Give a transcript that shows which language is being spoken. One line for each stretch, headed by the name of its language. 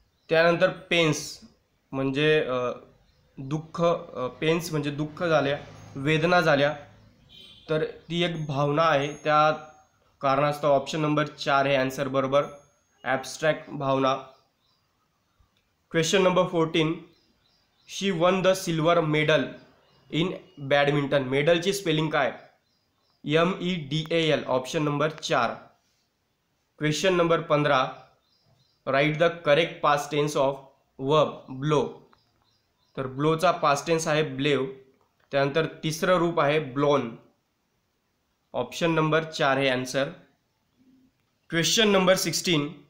Marathi: त्यानंतर पेन्स म्हणजे दुःख, पेन्स म्हणजे दुःख झाल्या, वेदना झाल्या, तर ती एक भावना आहे, त्या कारणास्तव ऑप्शन नंबर 4 हे आन्सर बरोबर, abstract Bhavana.
English: question number 14, she won the silver medal in badminton,
Marathi: मेडलची spelling काय,
English: MEDAL, option number 4।
Marathi: Question number 15,
English: write the correct past tense of verb blow,
Marathi: तर ब्लोचा पास्ट टेन्स आहे ब्लेव, त्यानंतर तिसरं रूप आहे ब्लॉन, ऑप्शन नंबर 4 हे आन्सर। Question number 16,